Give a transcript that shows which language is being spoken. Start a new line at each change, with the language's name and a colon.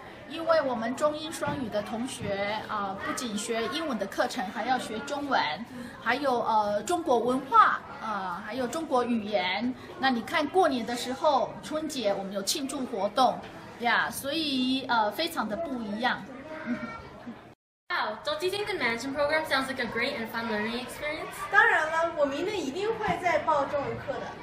Chinese: 因为我们中英双语的同学不仅学英文的课程，还要学中文，还有中国文化还有中国语言。那你看过年的时候，春节我们有庆祝活动。 Yeah, 所以非常的不一样。
English: Wow, don't you think the Mandarin program sounds like a great and fun learning experience?
Chinese: 当然了，我明天一定会再报中文课的。